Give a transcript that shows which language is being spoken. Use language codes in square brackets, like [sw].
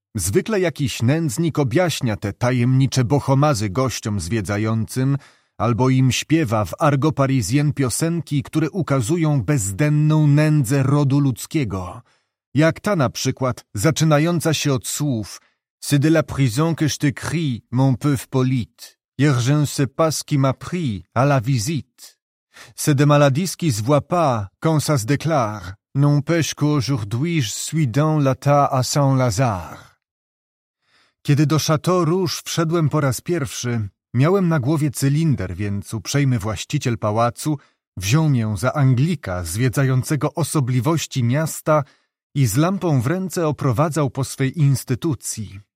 [pl] Zwykle jakiś nędznik objaśnia te tajemnicze bohomazy gościom zwiedzającym, albo im śpiewa w argot parisien piosenki, które ukazują bezdenną nędzę rodu ludzkiego. Jak ta na przykład, zaczynająca się od słów: [fr] C'est de la prison que je te crie, mon pauvre Polyte. Hier je ne sais pas ce qui m'a pris à la visite. C'est de maladies qui se voient pas quand ça se déclare. N'empêche qu'aujourd'hui je suis dans l'état à Saint-Lazare. [pl] Kiedy do Chateau Rouge wszedłem po raz pierwszy, miałem na głowie cylinder, więc uprzejmy właściciel pałacu wziął mnie za Anglika zwiedzającego osobliwości miasta i z lampą w ręce oprowadzał po swej instytucji.